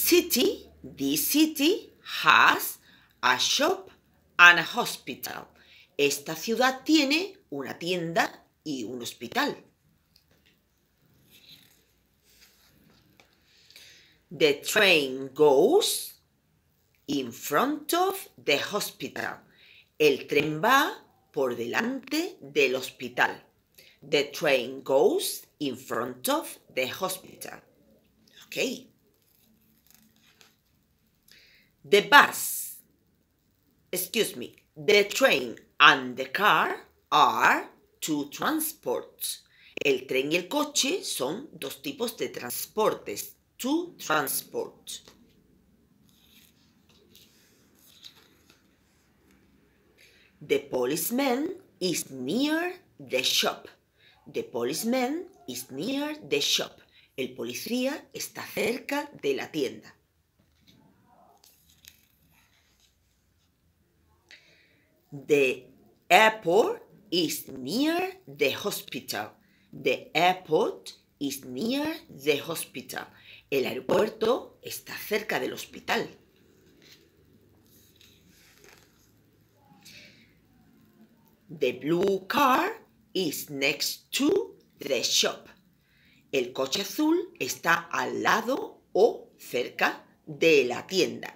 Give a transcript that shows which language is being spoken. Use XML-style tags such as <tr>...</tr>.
<en>This city has a shop and a hospital.</en> <es>Esta ciudad tiene una tienda y un hospital.</es> <en>The train goes in front of the hospital.</en> <es>El tren va por delante del hospital.</es> <en>The train goes in front of the hospital. Okay. The bus. Excuse me. The train and the car are two transports.</en> <es>El tren y el coche son dos tipos de transportes.</es> <en>Two transports. The policeman is near the shop. The policeman is near the shop.</en> <es>El policía está cerca de la tienda.</es> <en>The airport is near the hospital. The airport is near the hospital.</en> <es>El aeropuerto está cerca del hospital.</es> <en>The blue car is next to the shop.</en> <es>El coche azul está al lado o cerca de la tienda.</es>